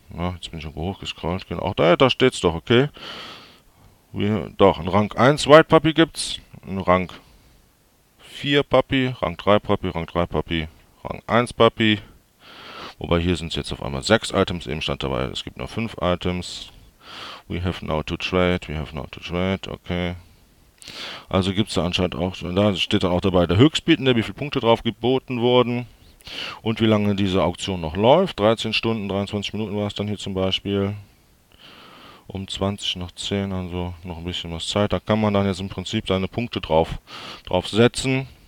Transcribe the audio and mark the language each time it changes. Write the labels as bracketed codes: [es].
[de] Ja, jetzt bin ich irgendwo hochgescrollt. Genau, auch da steht es doch, okay. Ein Rang 1 White Puppy gibt's, ein Rang 4 Puppy, Rang 3 Puppy, Rang 3 Puppy, Rang 1 Puppy. Wobei hier sind es jetzt auf einmal 6 Items, eben stand dabei, es gibt nur 5 Items. [en] We have now to trade, okay. [de] Also gibt es da anscheinend auch, da steht dann auch dabei der Höchstbietende, wie viele Punkte drauf geboten wurden. Und wie lange diese Auktion noch läuft, 13 Stunden, 23 Minuten war es dann hier zum Beispiel. Um 20 nach 10, also noch ein bisschen was Zeit, da kann man dann jetzt im Prinzip seine Punkte drauf setzen.